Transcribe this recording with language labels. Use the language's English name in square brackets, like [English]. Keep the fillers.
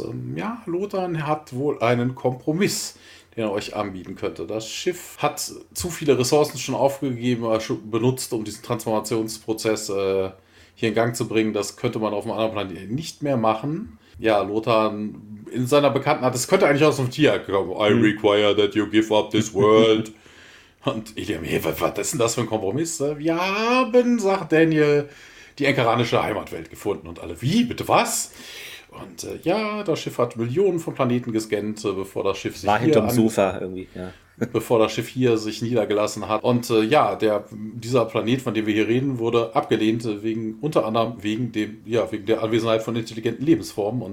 [German] Ähm, ja, Lothar hat wohl einen Kompromiss den er euch anbieten könnte. Das Schiff hat zu viele Ressourcen schon aufgegeben, äh, schon benutzt, um diesen Transformationsprozess äh, hier in Gang zu bringen. Das könnte man auf einem anderen Planeten nicht mehr machen. Ja, Lothar in seiner Bekannten hat, das könnte eigentlich aus dem Tier kommen. [English] I require that you give up this world. [German] Und Iliam, hey, was, was ist denn das für ein Kompromiss? Äh, Wir haben, sagt Daniel, die enkaranische Heimatwelt gefunden. Und alle, wie? Bitte was? Und äh, ja, das Schiff hat Millionen von Planeten gescannt, äh, bevor das Schiff sich War hinterm an- Sofa irgendwie, ja. bevor das Schiff hier sich niedergelassen hat. Und äh, ja, der, dieser Planet, von dem wir hier reden, wurde abgelehnt, äh, wegen, unter anderem wegen dem, ja, wegen der Anwesenheit von intelligenten Lebensformen.